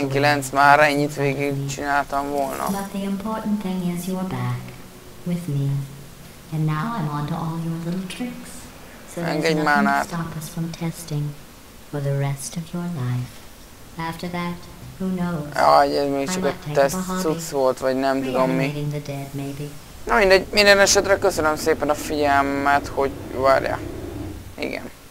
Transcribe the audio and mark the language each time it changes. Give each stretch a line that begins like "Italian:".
Hungarian: 19/19, már ennyit végig csináltam volna.
English: But the important thing is you're back with me. And now I'm on to all your little tricks. So
Hungarian: engedj már át.
English: Stop us from testing for the rest of your life. After that, who knows?
Hungarian: Ah, ugye még csak egy teszt cucc volt, vagy nem tudom mi. Na mindegy, minden esetre köszönöm szépen a figyelmet, hogy várja. Igen.